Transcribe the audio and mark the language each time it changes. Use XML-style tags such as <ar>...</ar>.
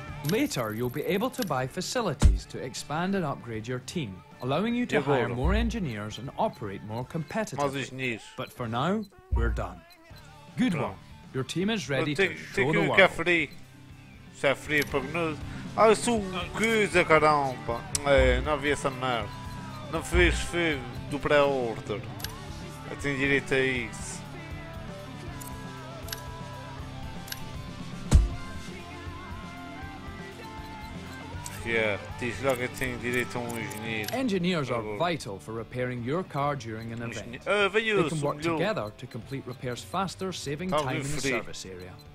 <en>Later, you'll be able to buy facilities to expand and upgrade your team, allowing you to hire more engineers and operate more competitively. But for now, we're done. Good one. Your team is ready to show the world. Free.</en> <pt>Isso é free para nós. Ah, isso é coisa, caramba. É, não havia essa merda. Não fiz, foi do pré-order. Eu tenho direito a isso. Yeah, diz logo que tenho direito a um engenheiro.</pt> <en>Engineers are vital for repairing your car during an event. They can work together to complete repairs faster, saving time in the service area.</en>